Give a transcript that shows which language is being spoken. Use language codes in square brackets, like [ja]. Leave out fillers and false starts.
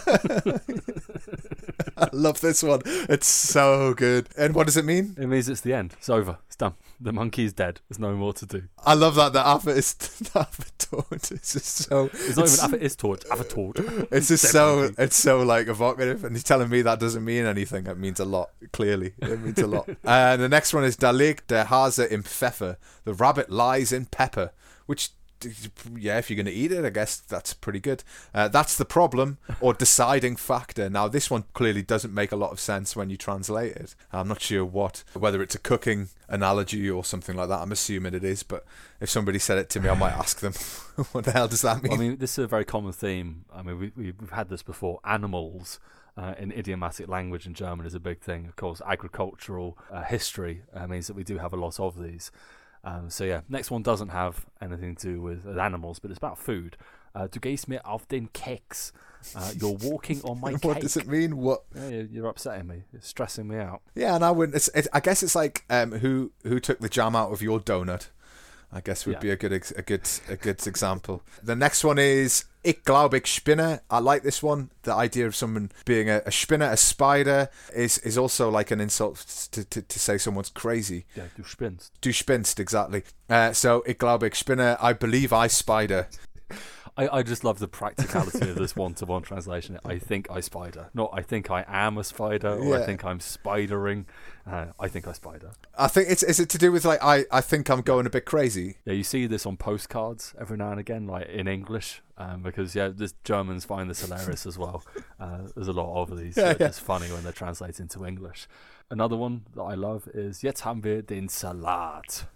[en] I love this one. It's so good. And what does it mean? It means it's the end. It's over. It's done. The monkey is dead. There's no more to do. I love that. The Affe is Affe tot. It's just so... It's not even Affe is tot. Affe tot. It's just so... Monkey. It's so, like, evocative. And he's telling me that doesn't mean anything. It means a lot, clearly. It means a lot. And the next one is Da liegt der Hase im Pfeffer. The rabbit lies in pepper. Which... Yeah, if you're going to eat it, I guess that's pretty good. That's the problem or deciding factor. Now, this one clearly doesn't make a lot of sense when you translate it. I'm not sure what, whether it's a cooking analogy or something like that. I'm assuming it is, but if somebody said it to me, I might ask them, what the hell does that mean? Well, I mean, this is a very common theme. I mean, we've had this before. Animals in idiomatic language in German is a big thing. Of course, agricultural history means that we do have a lot of these. So yeah, next one doesn't have anything to do with animals, but it's about food. [de] Du gehst mir auf den Keks. [en] You're walking on my cake. What does it mean? What? Yeah, you're upsetting me. It's stressing me out. Yeah, and I wouldn't. I guess it's like who took the jam out of your donut? I guess would be a good example. The next one is Ich glaube ich spinne. I like this one. The idea of someone being a spinner, a spider, is also like an insult to say someone's crazy. [de] Yeah, du spinnst. Du spinnst, exactly. So ich glaube ich spinne. [en] I believe I spider. I just love the practicality of this one-to-one translation. I think I spider. Not I think I am a spider, or yeah. I think I'm spidering. I think I spied her. I think it's, is it to do with like, I think I'm going a bit crazy? Yeah, you see this on postcards every now and again, like in English, because yeah, the Germans find this hilarious as well. There's a lot of these. It's funny when they're translated into English. Another one that I love is, jetzt haben wir den Salat.